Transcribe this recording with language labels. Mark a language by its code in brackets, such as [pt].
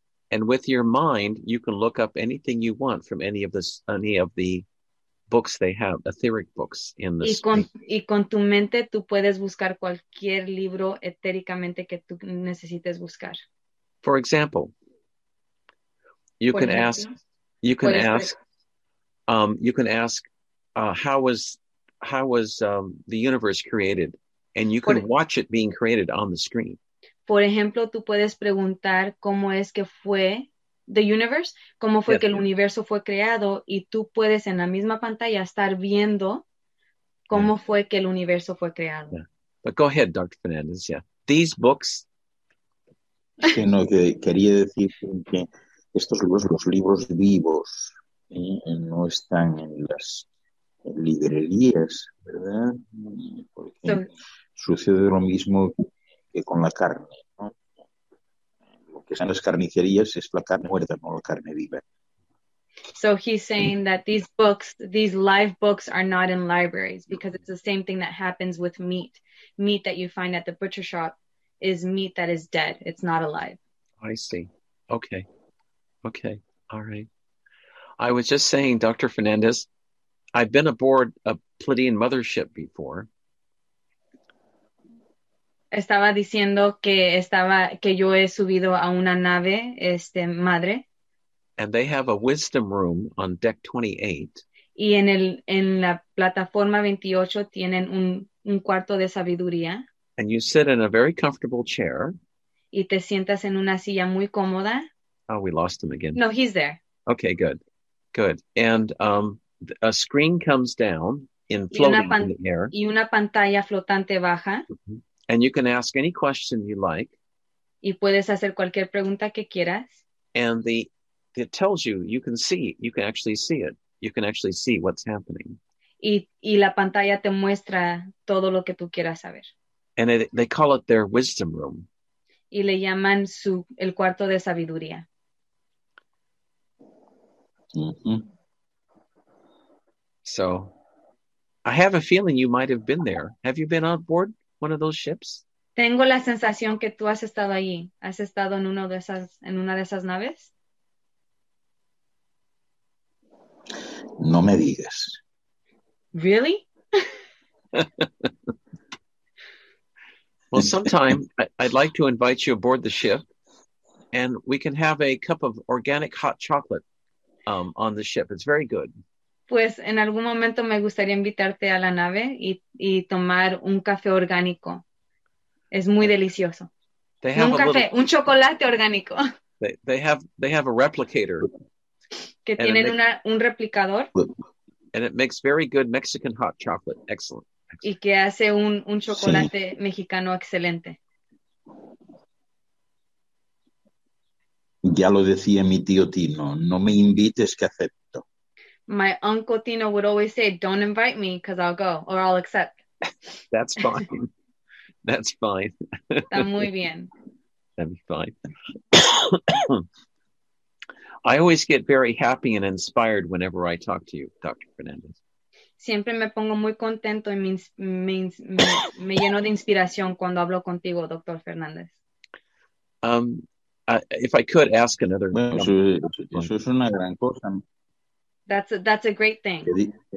[en] And with your mind, you can look up anything you want from any of the books they have, etheric books in the screen. [es] Y con tu mente, tú puedes buscar cualquier libro etéricamente que tú necesites buscar. [en] For example, you can ask how was the universe created, and you can watch it being created on the screen. [es] Por ejemplo, tú puedes preguntar cómo es que fue [en] the universe, [es] cómo fue que el universo fue creado, y tú puedes en la misma pantalla estar viendo cómo fue que el universo fue creado. [en] Yeah. But go ahead, Dr. Fernandez. Yeah, these books. [es] Sí, no, que quería decir que estos libros, los libros vivos, no están en las librerías, ¿verdad? Porque sucede lo mismo que con la carne, ¿no? Lo que están las carnicerías es la carne muerta, no la carne viva. [en] So he's saying that these books, these live books, are not in libraries because it's the same thing that happens with meat. Meat that you find at the butcher shop is meat that is dead. It's not alive. I see. Okay. Okay. All right. I was just saying, Dr. Fernandez, I've been aboard a Pleiadian mothership before. [es] Estaba diciendo que yo he subido a una nave, madre. [en] And they have a wisdom room on deck 28. [es] Y en la plataforma 28 tienen un cuarto de sabiduría. [en] And you sit in a very comfortable chair. [es] Y te sientas en una silla muy cómoda. [en] Oh, we lost him again. No, he's there. Okay, good. Good. And a screen comes down in floating in the air. [es] Y una pantalla flotante baja. Mm-hmm. [en] And you can ask any question you like. [es] Y puedes hacer cualquier pregunta que quieras. [en] And it tells you, you can see, you can actually see it. You can actually see what's happening. [es] Y la pantalla te muestra todo lo que tú quieras saber. [en] And they call it their wisdom room. [es] Y le llaman el cuarto de sabiduría. Mm-hmm. [en] So, I have a feeling you might have been there. Have you been on board one of those ships? [es] Tengo la sensación que tú has estado allí. ¿Has estado en una de esas naves? No me digas. [en] Really? Well, sometime I'd like to invite you aboard the ship and we can have a cup of organic hot chocolate on the ship. It's very good. [es] Pues en algún momento me gustaría invitarte a la nave y tomar un café orgánico. Es muy delicioso. Un chocolate orgánico. [en] They have a replicator. [es] Que tienen un replicador. [en] And it makes very good Mexican hot chocolate. Excellent. [es] Y que hace un chocolate sí. Mexicano excelente. Ya lo decía mi tío Tino, no me invites que acepto. [en] My uncle Tino would always say, don't invite me because I'll go or I'll accept. That's fine. That's fine. [es] Está muy bien. [en] That'd be fine. I always get very happy and inspired whenever I talk to you, Dr. Fernandez. [es] Siempre me pongo muy contento y me lleno de inspiración cuando hablo contigo, Dr. Fernandez. [en] If I could ask another [es] question. Bueno, eso es una gran cosa. [en] That's a great thing.